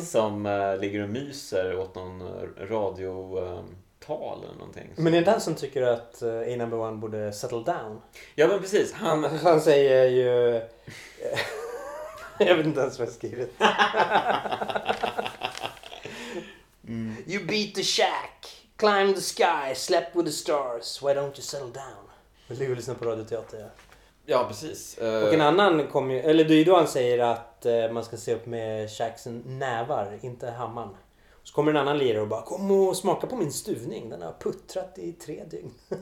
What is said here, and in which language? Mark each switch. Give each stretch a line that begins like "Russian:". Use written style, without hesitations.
Swedish: Som ligger och myser åt någon radiotal eller någonting. Men är det den som tycker att A Number One borde
English: settle down?
Swedish: Ja, men precis. Han säger ju... Jag vet inte ens vad jag skrivit.
English: You beat the Shaq, climb the sky, slept with the stars, why don't you settle down?
Swedish: Jag ligger och lyssnar på radioteater. Ja, ja, precis. Och en annan kom ju, eller det är ju då han säger att man ska se upp med Shaqs nävar, inte hammaren. Och så kommer en annan lirare och bara, kom och smaka på min stuvning, den har puttrat i 3 dygn.